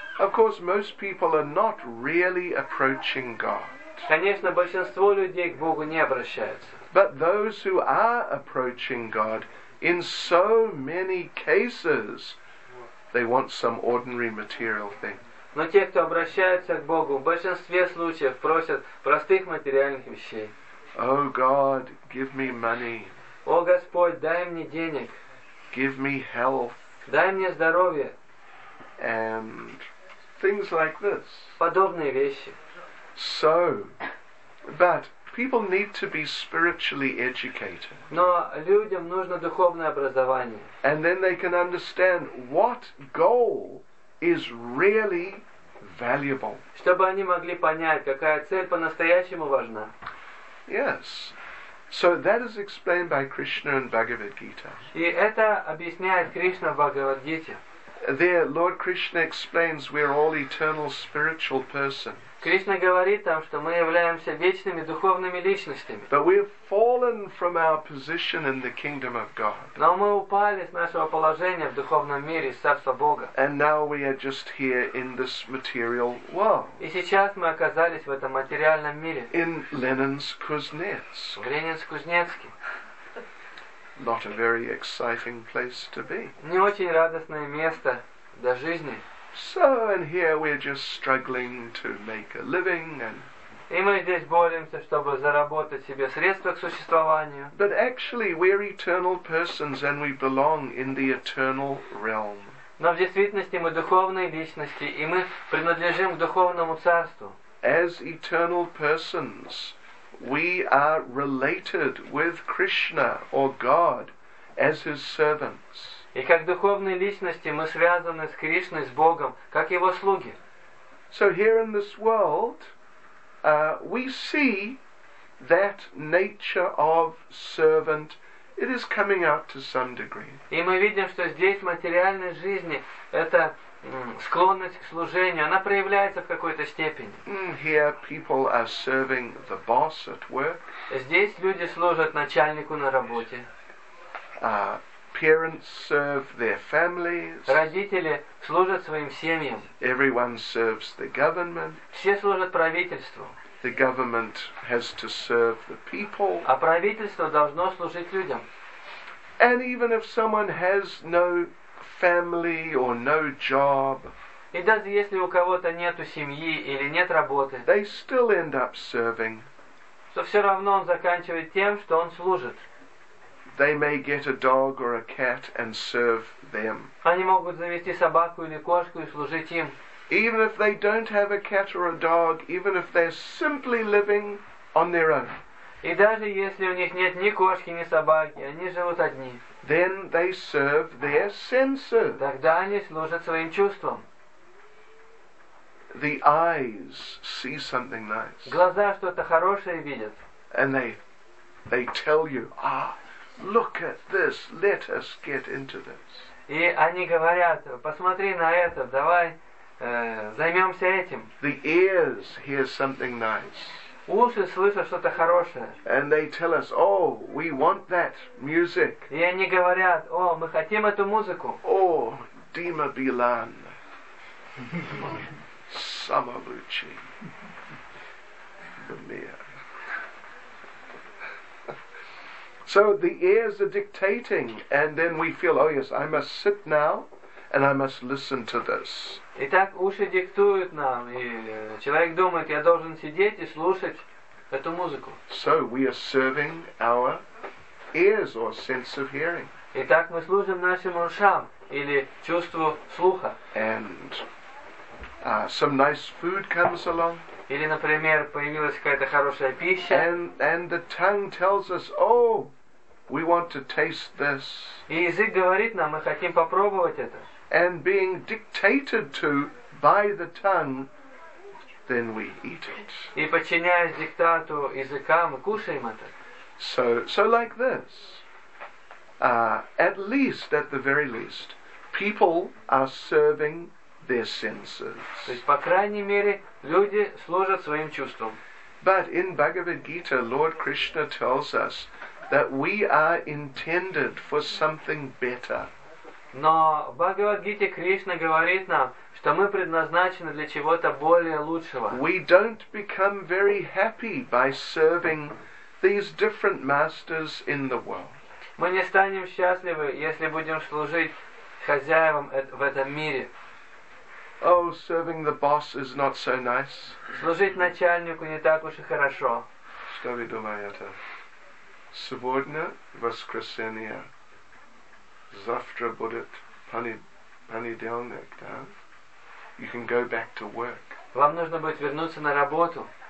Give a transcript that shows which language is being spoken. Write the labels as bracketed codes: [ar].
[en] Of course, most people are not really approaching God. [ru] Конечно, большинство людей к Богу не обращаются. [en] But those who are approaching God, in so many cases, they want some ordinary material thing. [ru] Но те, кто обращается к Богу, в большинстве случаев просят простых материальных вещей. [en] Oh God, give me money. [ru] О Господь, дай мне денег. [en] Give me health. [ru] Дай мне здоровье. [en] And things like this. [ru] Подобные вещи. [en] So, but people need to be spiritually educated. [ru] Но людям нужно духовное образование. [en] And then they can understand what goal is really valuable. [ru] Чтобы они могли понять, какая цель по-настоящему важна. [en] Yes. So that is explained by Krishna in Bhagavad Gita. [ru] И это объясняет Кришна в Бхагавад Гите. [en] There, Lord Krishna explains we are all eternal spiritual persons. [ru] Кришна говорит там, что мы являемся вечными духовными личностями. [en] But we have fallen from our position in the kingdom of God. [ru] Но мы упали с нашего положения в духовном мире, с царства Бога. [en] And now we are just here in this material world. [ru] И сейчас мы оказались в этом материальном мире. [en] In Lenin's Kuznetsk. [ru] Ленинск-Кузнецкий. [en] Not a very exciting place to be. [ru] Не очень радостное место для жизни. [en] So, and here we're just struggling to make a living, and... [ru] И мы здесь боремся, чтобы заработать себе средства к существованию. [en] But actually, we're eternal persons, and we belong in the eternal realm. [ru] Но в действительности мы духовные личности, и мы принадлежим к духовному царству. [en] As eternal persons, we are related with Krishna, or God, as His servants. [ru] И как духовные личности мы связаны с Кришной, с Богом, как Его слуги. [en] So here in this world, we see that nature of servant. It is coming out to some degree. [ru] И мы видим, что здесь в материальной жизни эта склонность к служению, она проявляется в какой-то степени. [en] Here people are serving the boss at work. [ru] Здесь люди служат начальнику на работе. [en] Parents serve their families. [ru] Родители служат своим семьям. [en] Everyone serves the government. [ru] Все служат правительству. [en] The government has to serve the people. [ru] А правительство должно служить людям. [en] And even if someone has no family or no job, [ru] и даже если у кого-то нету семьи или нет работы, [en] they still end up serving. [ru] То все равно он заканчивает тем, что он служит. [en] They may get a dog or a cat and serve them. [ru] Они могут завести собаку или кошку и служить им. [en] Even if they don't have a cat or a dog, even if they're simply living on their own. [ru] И даже если у них нет ни кошки, ни собаки, они живут одни. [en] Then they serve their senses. [ru] Тогда они служат своим чувствам. [en] The eyes see something nice. [ru] Глаза что-то хорошее видят. [en] And they tell you, ah, look at this. Let us get into this. [ru] И они говорят: посмотри на это, давай займемся этим. [en] The ears hear something nice. [ru] Уши слышат что-то хорошее. [en] And they tell us, oh, we want that music. [ru] И они говорят: о, мы хотим эту музыку. [en] Oh, Dima Bilan, Samaluchi, Bamiya. So the ears are dictating, and then we feel, oh yes, I must sit now, and I must listen to this. [ru] Итак, уши диктуют нам, и человек думает, я должен сидеть и слушать эту музыку. [en] So we are serving our ears or sense of hearing. [ru] Итак, мы служим нашим ушам или чувству слуха. [en] And some nice food comes along. [ru] Или, например, появилась какая-то хорошая пища. [en] And the tongue tells us, oh, we want to taste this. [ru] И язык говорит нам, мы хотим попробовать это. [en] And being dictated to by the tongue, then we eat it. [ru] И подчиняясь диктату языка, мы кушаем это. [en] So like this. At the very least, people are serving their senses. [ru] То есть, по крайней мере, люди служат своим чувствам. [en] But in Bhagavad Gita, Lord Krishna tells us that we are intended for something better. [ru] Но в Бхагавад-гите Кришна говорит нам, что мы предназначены для чего-то более лучшего. [en] We don't become very happy by serving these different masters in the world. [ru] Мы не станем счастливы, если будем служить хозяевам в этом мире. [en] Oh, serving the boss is not so nice. [ru] Служить начальнику не так уж и хорошо. Что вы думаете? Сегодня воскресенье. Завтра будет понедельник, да? [en] You can go back to work. [ru] Вам нужно будет вернуться на работу.